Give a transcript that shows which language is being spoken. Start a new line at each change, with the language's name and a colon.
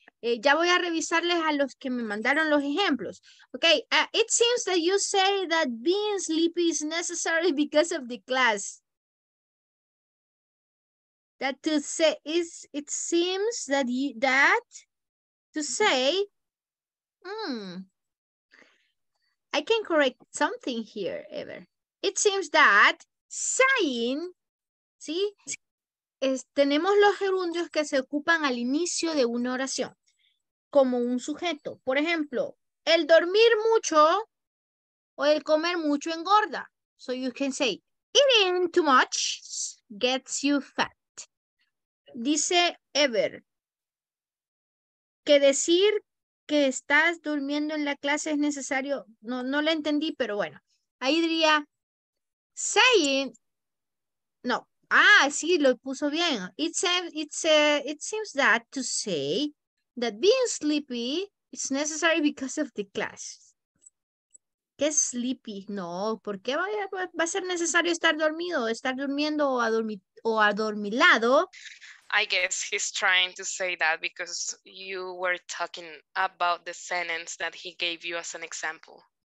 Spanish: Ya voy a revisarles a los que me mandaron los ejemplos.
English: Okay, it seems that you say that being sleepy is necessary because of the class. That to say is, it seems that you, that to say, I can correct something here, Ever. It seems that saying, ¿sí?
Spanish: Tenemos los gerundios que se ocupan al inicio de una oración, como un sujeto. Por ejemplo, el dormir mucho o el comer mucho engorda.
English: So you can say, eating too much gets you fat.
Spanish: Dice Ever que decir que estás durmiendo en la clase es necesario. No la entendí, pero bueno. Ahí diría saying. No. Ah, sí, lo puso bien.
English: It seems that to say that being sleepy is necessary because of the class.
Spanish: ¿Qué es sleepy? No, ¿por qué va a ser necesario estar dormido? Estar durmiendo o adormilado.
English: I guess he's trying to say that because you were talking about the sentence that he gave you as an example.